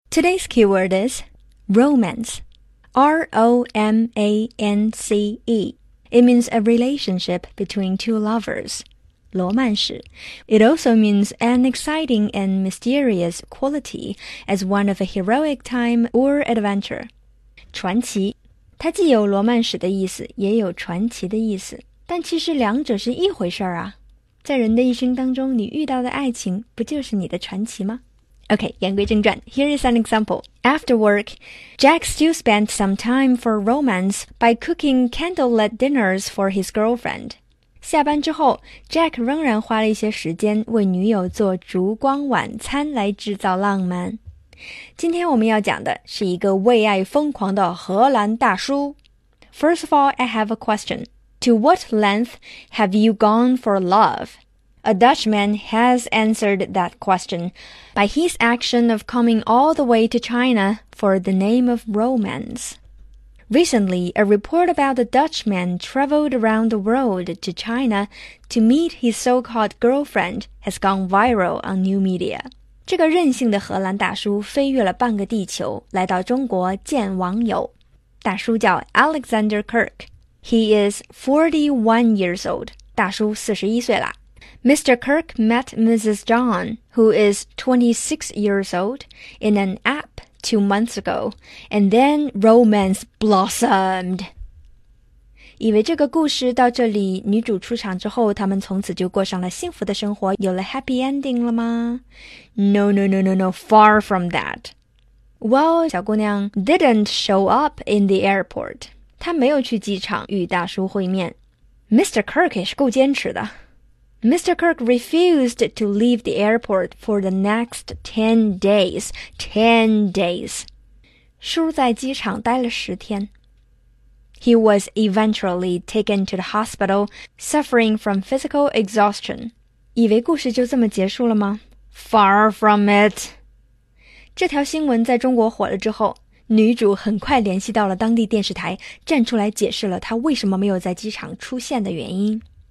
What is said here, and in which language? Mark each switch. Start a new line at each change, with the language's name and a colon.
English: Today's keyword is romance. R-O-M-A-N-C-E. It means a relationship between two lovers.
Chinese: 罗曼史.
English: It also means an exciting and mysterious quality as one of a heroic time or adventure.
Chinese: 传奇. 它既有罗曼史的意思也有传奇的意思。但其实两者是一回事儿啊。在人的一生当中你遇到的爱情不就是你的传奇吗？
English: Okay,
Chinese: 言归正传,
English: here is an example. After work, Jack still spent some time for romance by cooking candlelit dinners for his girlfriend.
Chinese: 下班之后, Jack 仍然花了一些时间为女友做烛光晚餐来制造浪漫。今天我们要讲的是一个为爱疯狂的荷兰大叔。
English: First of all, I have a question. To what length have you gone for love? A Dutchman has answered that question by his action of coming all the way to China for the name of romance. Recently, a report about a Dutchman traveled around the world to China to meet his so-called girlfriend has gone viral on new media.
Chinese: 这个任性的荷兰大叔飞越了半个地球来到中国见网友。大叔叫 Alexander Kirk.
English: He is 41 years old.
Chinese: 大叔41岁了。
English: Mr. Kirk met Mrs. John, who is 26 years old, in an app 2 months ago, and then romance blossomed.
Chinese: 以为这个故事到这里女主出场之后他们从此就过上了幸福的生活有了
English: happy ending
Chinese: 了吗
English: No, far from that. Well,
Chinese: 小姑娘
English: didn't show up in the airport.
Chinese: 她没有去机场与大叔会面。
English: Mr.
Chinese: Kirk 也是够坚持的。
English: Mr. Kirk refused to leave the airport for the next 10 days. 10 days.
Chinese: 叔在机场待了十天。
English: He was eventually taken to the hospital, suffering from physical exhaustion.
Chinese: 以为故事就这么结束了吗?
English: Far from it.
Chinese: 这条新闻在中国火了之后,女主很快联系到了当地电视台,站出来解释了她为什么没有在机场出现的原因。